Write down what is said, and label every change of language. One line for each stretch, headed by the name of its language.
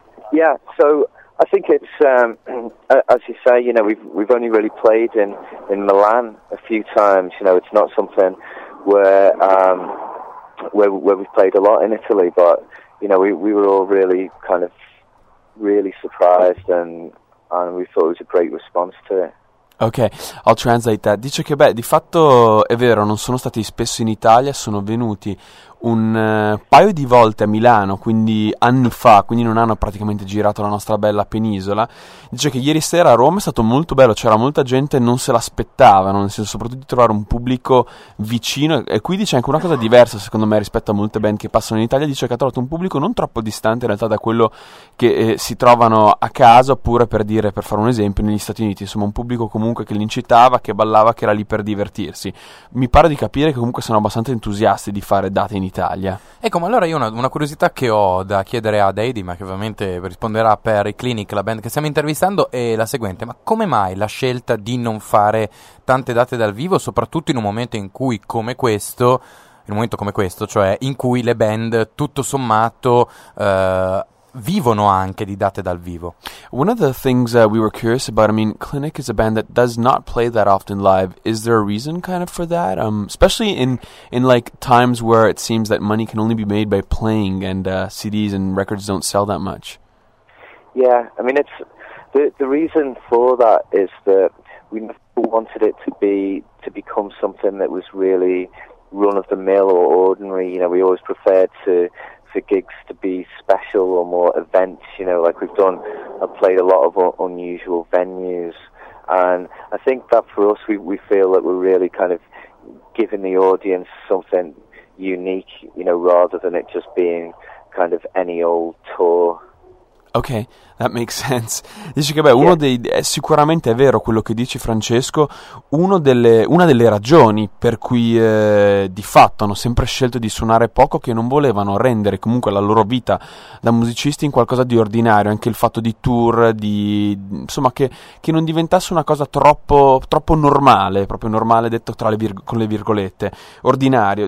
English: yeah, so I think it's as you say, you know, we've only really played in Milan a few times. You know, it's not something where we've played a lot in Italy, but you know, we were all really kind of really surprised, and we thought it was a great response to it. Ok, I'll translate that.
Italian: Dice che beh, di fatto è vero, non sono stati spesso in Italia, sono venuti un paio di volte a Milano, quindi anni fa, quindi non hanno praticamente girato la nostra bella penisola. Dice che ieri sera a Roma è stato molto bello, c'era molta gente, non se l'aspettavano, nel senso soprattutto di trovare un pubblico vicino. E qui dice anche una cosa diversa, secondo me, rispetto a molte band che passano in Italia. Dice che ha trovato un pubblico non troppo distante in realtà da quello che si trovano a casa, oppure per dire, per fare un esempio, negli Stati Uniti, insomma un pubblico comunque che l'incitava, che ballava, che era lì per divertirsi. Mi pare di capire che comunque sono abbastanza entusiasti di fare date in Italia. Ecco, ma allora io una curiosità che ho da chiedere a Daddy, ma che ovviamente risponderà per i Clinic, la band che stiamo intervistando, è la seguente: ma come mai la scelta di non fare tante date dal vivo, soprattutto in un momento in cui come questo, in un momento come questo, cioè in cui le band tutto sommato vivono anche di date dal vivo?
English: One of the things that we were curious about, I mean, Clinic is a band that does not play that often live. Is there a reason kind of for that? Especially in like times where it seems that money can only be made by playing and CDs and records don't sell that much. Yeah, I mean, it's the reason for that is that we never wanted it to become something that was really run of the mill or ordinary. You know, we always preferred for gigs to be special or more events. You know, like we've done, I've played a lot of unusual venues, and I think that for us, we feel that we're really kind of giving the audience something unique. You know, rather than it just being kind of any old tour. Ok, that makes sense.
Italian: Dice che beh, uno dei è sicuramente è vero quello che dici Francesco, una delle ragioni per cui di fatto hanno sempre scelto di suonare poco, che non volevano rendere comunque la loro vita da musicisti in qualcosa di ordinario, anche il fatto di tour, di insomma che non diventasse una cosa troppo normale, proprio normale detto tra le con le virgolette, ordinario.